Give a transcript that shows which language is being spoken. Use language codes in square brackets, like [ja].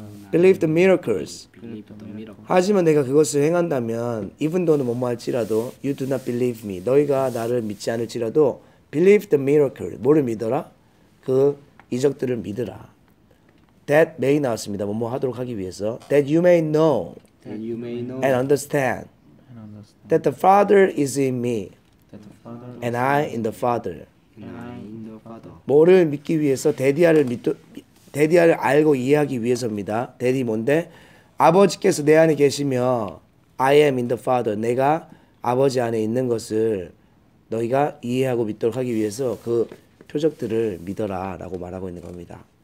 [en] believe the miracles. [ko] 하지만 내가 그것을 행한다면 [en] even though는 [ko] 뭐뭐 할지라도 [en] you do not believe me. [ko] 너희가 나를 믿지 않을지라도 [en] believe the miracle. [ko] 뭐를 믿어라? 그 이적들을 믿으라. [en] That may [ko] 나왔습니다. 뭐뭐 하도록 하기 위해서. [en] That you may know, that you may know and understand that the Father is in me and I in the Father. Father. [ko] 뭐를 믿기 위해서? 데디아를 믿도 데디아를 알고 이해하기 위해서입니다. 데디 뭔데? 아버지께서 내 안에 계시며 [en] I am in the Father. [ko] 내가 아버지 안에 있는 것을 너희가 이해하고 믿도록 하기 위해서 그 표적들을 믿어라 라고 말하고 있는 겁니다.